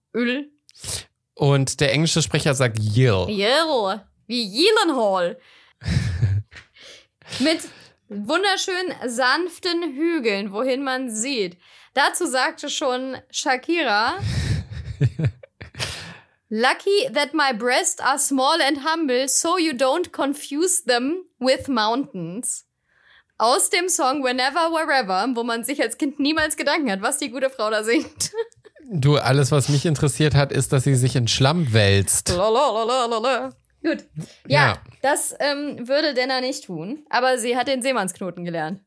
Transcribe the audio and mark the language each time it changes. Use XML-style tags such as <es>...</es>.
<de>Öl. Und der englische Sprecher sagt Yill. Yill. Wie Yillenhall. Mit wunderschönen, sanften Hügeln, wohin man sieht. Dazu sagte schon Shakira.</de> <en>Lucky that my breasts are small and humble, so you don't confuse them with mountains.</en> <de>Aus dem Song Whenever, Wherever, wo man sich als Kind niemals Gedanken hat, was die gute Frau da singt. Du, alles, was mich interessiert hat, ist, dass sie sich in Schlamm wälzt. Lalalala. Gut. Ja, das würde Denna nicht tun. Aber sie hat den Seemannsknoten gelernt.</de>